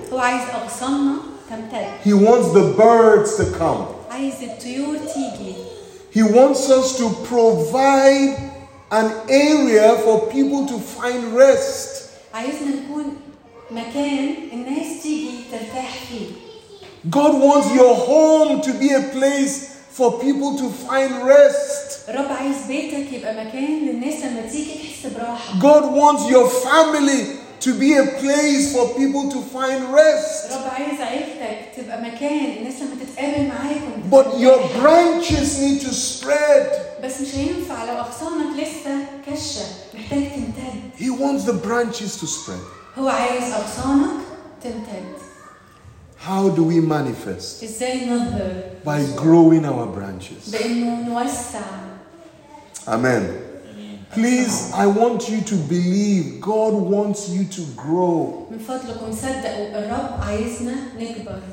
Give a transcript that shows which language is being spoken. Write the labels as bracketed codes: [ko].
[ar] هو عايز أغصاننا تمتد. [en] He wants the birds to come. [ar] عايز الطيور تيجي. [en] He wants us to provide an area for people to find rest. [ar] عايزنا نكون مكان الناس تيجي ترتاح فيه. [en] God wants your home to be a place for people to find rest. [ar] رب عايز بيتك يبقى مكان للناس لما تيجي تحس براحة. [en] God wants your family to be a place for people to find rest. [ar] رب عايز عيلتك تبقى مكان الناس لما تتقابل معاكم. [en] But your branches need to spread. [ar] بس مش هينفع لو أغصانك لسه كشة، محتاج تمتد. [en] He wants the branches to spread. [ar] هو عايز أغصانك تمتد. [en] How do we manifest? [ar] ازاي نظهر؟ [en] By growing our branches. [ar] بأنه نوسع. [en] Amen. Please, I want you to believe God wants you to grow. [ar] من فضلكم صدقوا الرب عايزنا نكبر.